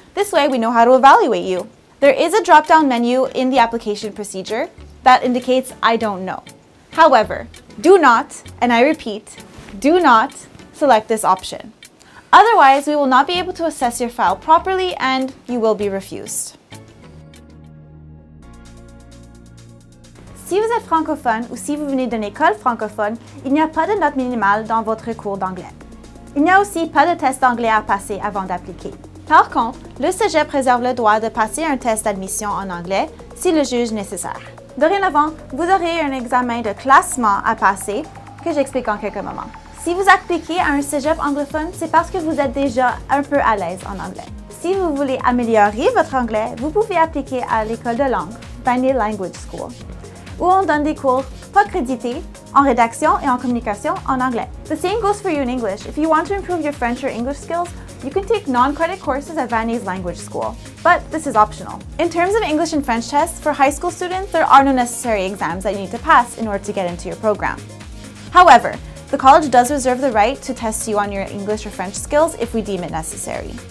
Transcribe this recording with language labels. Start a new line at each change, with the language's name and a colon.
English: This way, we know how to evaluate you. There is a drop-down menu in the application procedure that indicates I don't know. However, do not, and I repeat, do not select this option. Otherwise, we will not be able to assess your file properly and you will be refused.
French: Si vous êtes francophone ou si vous venez d'une école francophone, il n'y a pas de note minimale dans votre cours d'anglais. Il n'y a aussi pas de test d'anglais à passer avant d'appliquer. Par contre, le cégep préserve le droit de passer un test d'admission en anglais si le juge nécessaire. Dorénavant, vous aurez un examen de classement à passer que j'explique en quelques moments. Si vous appliquez à un cégep anglophone, c'est parce que vous êtes déjà un peu à l'aise en anglais. Si vous voulez améliorer votre anglais, vous pouvez appliquer à l'école de langue, Vanier Language School, où on donne des cours pas crédités en rédaction et en communication en anglais.
English: The same goes for you in English. If you want to improve your French or English skills, you can take non-credit courses at Vanier's Language School, but this is optional. In terms of English and French tests, for high school students, there are no necessary exams that you need to pass in order to get into your program. However, the college does reserve the right to test you on your English or French skills if we deem it necessary.